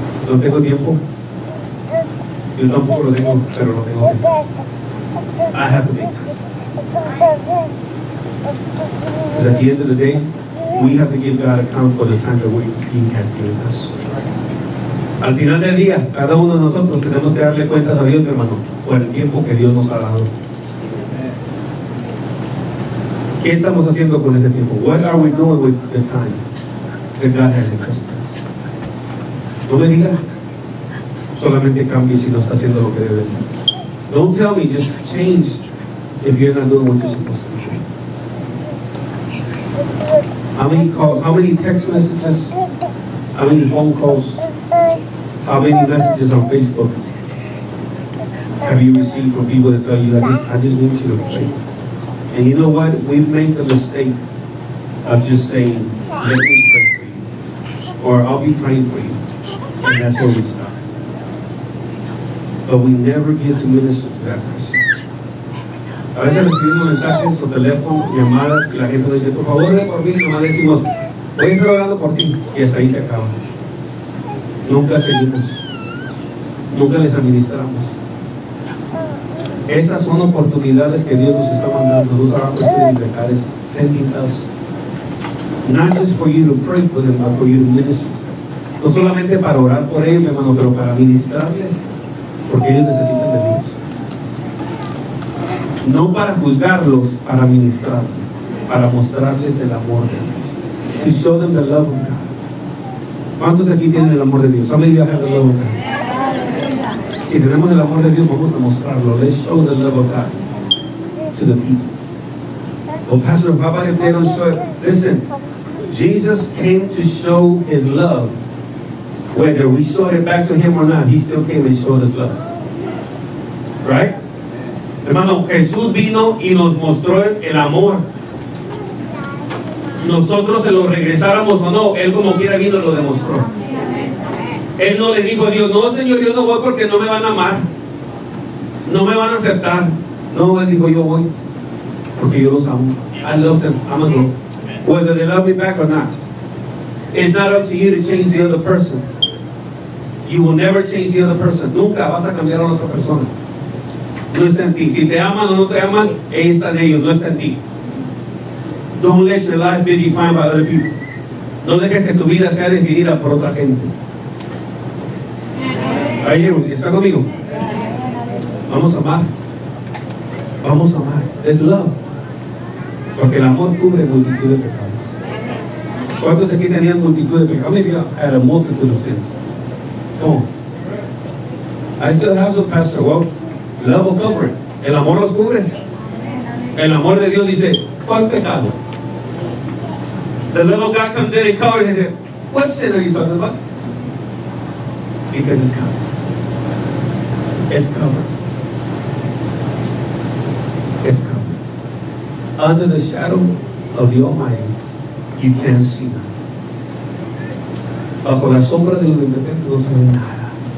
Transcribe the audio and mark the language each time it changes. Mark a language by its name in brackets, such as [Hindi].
[Spanish] No tengo tiempo. Yo tampoco lo tengo, pero lo tengo que hacer. [English] I have to make time. Because at the end of the day, we have to give God account for the time that we have given us. [Spanish] Al final del día, cada uno de nosotros tenemos que darle cuentas a Dios, mi hermano, por el tiempo que Dios nos ha dado. ¿Qué estamos haciendo con ese tiempo? [English] What are we doing with the time that God has entrusted us? [Spanish] No me diga. Solamente cambie si no está haciendo lo que debe ser. [English] Don't tell me, just change if you're not doing what you're supposed to do. How many calls? How many text messages? How many phone calls? How many messages on Facebook have you received from people that tell you, I just need you to pray? And you know what? We've made the mistake of just saying, let me pray for you. Or I'll be praying for you. And that's where we stop. But we never get to minister to that person. [Spanish] A veces recibimos mensajes o teléfono, llamadas, y la gente nos dice, por favor, ore por mí. Y nomás decimos, voy a estar orando por ti. Y hasta ahí se acaba. Nunca seguimos. Nunca les administramos. Esas son oportunidades que Dios nos está mandando. [English] Those are opportunities that God is sending us. Not just for you to pray for them, but for you to minister to them. [Spanish] No solamente para orar por ellos, mi hermano, pero para ministrarles. Porque ellos necesitan de Dios. No para juzgarlos, para ministrarles. Para mostrarles el amor de Dios. [English] To show them the love of God. [Spanish] ¿Cuántos aquí tienen el amor de Dios? ¿Cuántos aquí tienen el amor de Dios? Si tenemos el amor de Dios, vamos a mostrarlo. [English] Let's show the love of God to the people. Well, Pastor, why about if they don't show it? Listen, Jesus came to show his love. Whether we showed it back to him or not, he still came and showed his love. Right? [Spanish] Hermano, Jesús vino y nos mostró el amor. Nosotros se lo regresáramos o no, él como quiera vino y lo demostró. Él no le dijo a Dios, no, Señor, yo no voy porque no me van a amar. No me van a aceptar. No, él dijo, yo voy. Porque yo los amo. [English] I love them. I'm a girl. Whether they love me back or not, it's not up to you to change the other person. You will never change the other person. [Spanish] Nunca vas a cambiar a otra persona. No está en ti. Si te aman o no te aman, ahí están ellos. No está en ti. [English] Don't let your life be defined by other people. [Spanish] No dejes que tu vida sea definida por otra gente. Ahí está conmigo. Vamos a amar. Vamos a amar. Es love. Porque el amor cubre multitud de pecados. ¿Cuántos aquí tenían multitud de pecados? [English] Maybe I had a multitude of sins. Come on. I still have some, Pastor. Well, love will cover. [Spanish] El amor los cubre. El amor de Dios dice, ¿cuál pecado? [English] The love of God comes in and covers it. What sin are you talking about? Because it's covered. It's covered. Under the shadow of the Almighty, you can't see nothing. [Spanish] Bajo la sombra del Omnipotente no se ve nada.